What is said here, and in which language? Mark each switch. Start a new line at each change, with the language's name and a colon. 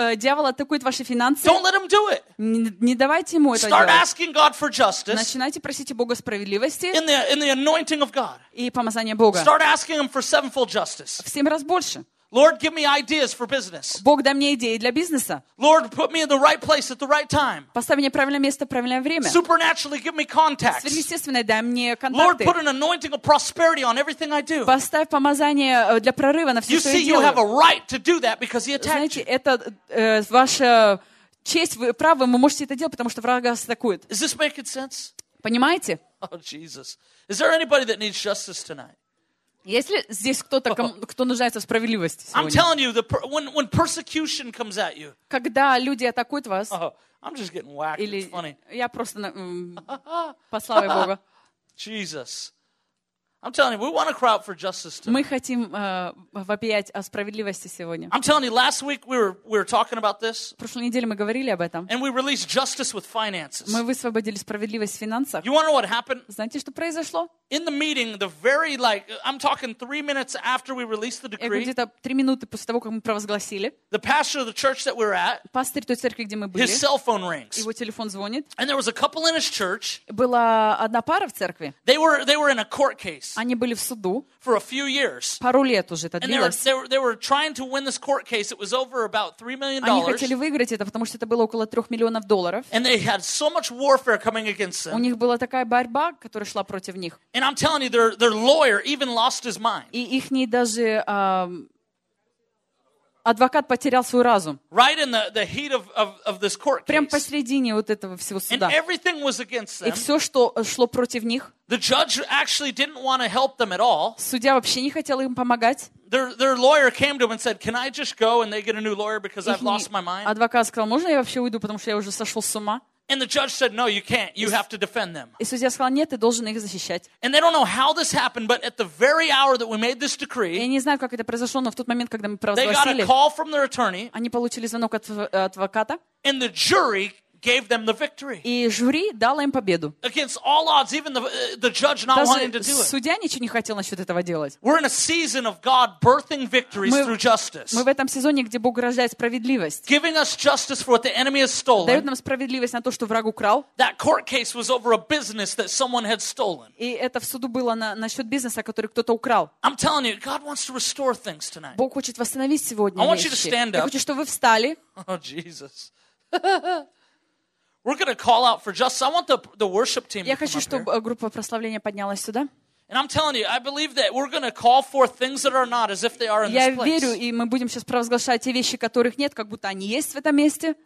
Russian: дьявол атакует ваши финансы,
English: don't let him do it.
Russian: Не давайте ему это делать.
English: Start asking God for justice.
Russian: Начинайте просить у Бога справедливости.
English: In the anointing of God.
Russian: И помазание Бога.
English: Start asking him for sevenfold justice.
Russian: В 7 раз больше.
English: Lord, give me ideas for business.
Russian: Бог, дай мне идеи для бизнеса.
English: Lord, put me in the right place at the right time.
Russian: Поставь меня в правильное место в правильное время.
English: Supernaturally, give me contacts.
Russian: Сверхъестественно, дай мне контакты.
English: Lord, put an anointing of prosperity on everything I do.
Russian: Поставь помазание для прорыва на все,
English: you see,
Russian: я делаю.
English: You have a right to do that because he attacked you.
Russian: Знаете, это ваша честь, вы правы, вы можете это делать, потому что враг вас атакует.
English: Is this making sense?
Russian: Понимаете?
English: Oh, Jesus. Is there anybody that needs justice tonight?
Russian: Есть ли здесь кто-то, кто нуждается в справедливости сегодня?
English: I'm telling you, when persecution comes at you.
Russian: Когда люди атакуют вас.
English: I'm just getting whacked.
Russian: Или
English: it's funny.
Russian: Я просто послава Бога.
English: Jesus. I'm telling you, we want to cry out for justice today.
Russian: Мы хотим вопиять о справедливости сегодня.
English: I'm telling you, last week we were talking about this.
Russian: Прошлой неделе мы говорили об этом.
English: And we released justice with finances.
Russian: Мы высвободили справедливость в финансах.
English: You want to know what happened?
Russian: Знаете, что произошло?
English: In the meeting, the very like I'm talking 3 minutes after we released the decree.
Russian: Я говорю, где-то 3 минуты после того, как мы провозгласили.
English: The pastor of the church that we're at.
Russian: Пастор той церкви, где мы были.
English: His cell phone rings.
Russian: Его телефон звонит.
English: And there was a couple in his church.
Russian: Была одна пара в церкви.
English: They were in a court case.
Russian: Они были в суду.
English: For a few years.
Russian: Пару лет уже это длилось.
English: And they were trying to win this court case. It was over about $3 million.
Russian: Они хотели выиграть это, потому что это было около $3 миллионов.
English: And they had so much warfare coming against them.
Russian: У них была такая борьба, которая шла против них.
English: And I'm telling you, their lawyer even lost his mind.
Russian: И ихний даже адвокат потерял свой разум.
English: Right in the heat of this court case.
Russian: Прямо посредине вот этого всего суда.
English: And everything was against them.
Russian: И все, что шло против них.
English: The judge actually didn't want to help them at all.
Russian: Судья вообще не хотел им помогать.
English: Their lawyer came to him and said, "Can I just go and they get a new lawyer because I've lost my mind?"
Russian: Адвокат сказал, "Можно я вообще уйду, потому что я уже сошел с ума?"
English: And the judge said, "No, you can't. You have to defend them."
Russian: И судья сказал, "Нет, ты должен их защищать."
English: And they don't know how this happened, but at the very hour that we made this decree,
Russian: я не знаю, как это произошло, но в тот момент, когда мы провозгласили,
English: they got a call from their attorney.
Russian: Они получили звонок от адвоката.
English: And the jury gave them the victory.
Russian: И жюри дало им победу.
English: Against all odds, even the judge not
Russian: Даже
English: wanting to do it.
Russian: Судья ничего не хотел насчет этого делать.
English: We're in a season of God birthing victories through justice.
Russian: Мы в этом сезоне, где Бог рождает справедливость.
English: Giving us justice for what the enemy has stolen.
Russian: Дает нам справедливость на то, что враг украл.
English: That court case was over a business that someone had stolen.
Russian: И это в суду было насчет бизнеса, который кто-то украл.
English: I'm telling you, God wants to restore things tonight.
Russian: Бог хочет восстановить сегодня вещи.
English: I want you to stand up.
Russian: Я хочу, чтобы вы встали.
English: Oh, Jesus. We're going to call out for justice. I want the worship team to come up here.
Russian: Я хочу, чтобы группа прославления поднялась сюда.
English: And I'm telling you, I believe that we're going to call for things that are not as if they are in this place.
Russian: Я верю, и мы будем сейчас провозглашать те вещи, которых нет, как будто они есть в этом месте.